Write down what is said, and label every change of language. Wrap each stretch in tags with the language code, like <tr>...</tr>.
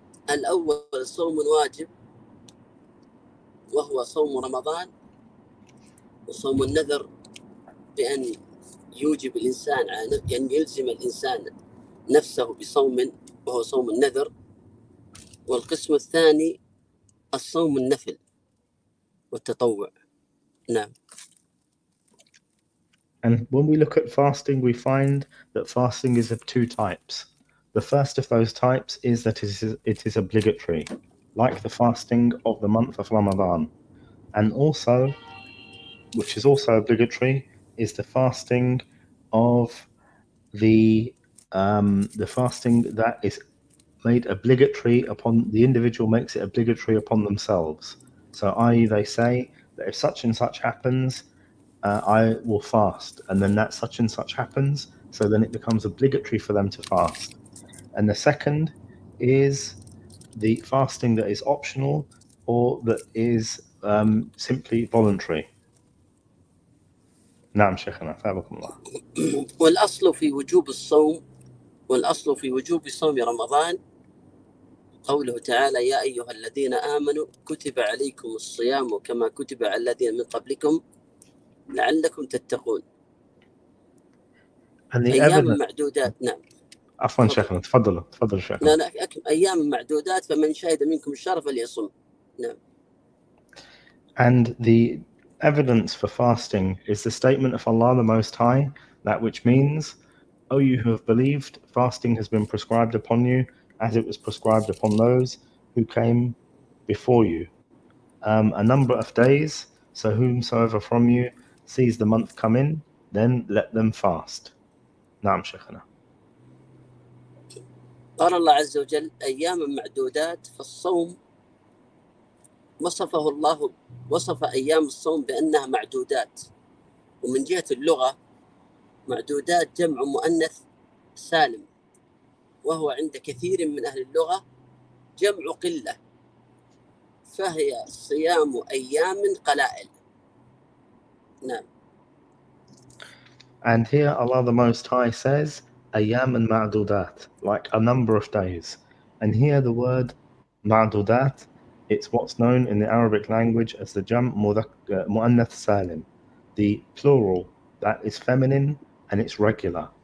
<ar>الأول صوم واجب، وهو صوم رمضان وصوم النذر، بأن يوجب الإنسان على أن يلزم الإنسان نفسه بصوم، وهو صوم النذر. والقسم الثاني الصوم النفل والتطوع. نعم.</ar> <en>And when we look at fasting, we find that fasting is of two types. The first of those types is that it is obligatory, like the fasting of the month of Ramadan. And also, which is also obligatory, is the fasting of the fasting that is made obligatory upon, the individual makes it obligatory upon themselves. So i.e. they say that if such and such happens, I will fast. And then that such and such happens, so then it becomes obligatory for them to fast. And the second is the fasting that is optional or that is simply voluntary.</en> <ar>نعم شيخنا فابكم الله. والأصل في وجوب الصوم والأصل في وجوب صوم رمضان قوله تعالى يا أيها الذين آمنوا كتب عليكم الصيام كما كتب على الذين من قبلكم لعلكم تتقون. أيام معدودات. نعم. عفوا شيخنا تفضل شيخنا. لا أيام معدودات فمن شهد منكم الشهر فليصم. نعم.</ar> <en>And the evidence for fasting is the statement of Allah the Most High, that which means, O you who have believed, fasting has been prescribed upon you as it was prescribed upon those who came before you. A number of days, so whomsoever from you sees the month come in, then let them fast.</en> <ar>Naam Shaykhana. قال الله عز وجل أياما معدودات فالصوم وصفه الله وصف أيام الصوم بأنها معدودات ومن جهة اللغة معدودات جمع مؤنث سالم وهو عند كثير من أهل اللغة جمع قلة فهي صيام أيام قلائل نعم</ar> <en>And here Allah the Most High says</en> <ar>Ayyaman ma'dudat,</ar> <en>like a number of days. And here the word ma'dudat, it's what's known in the Arabic language as the</en> <ar>jam mu'annath salim,</ar> <en>the plural that is feminine and it's regular.</en>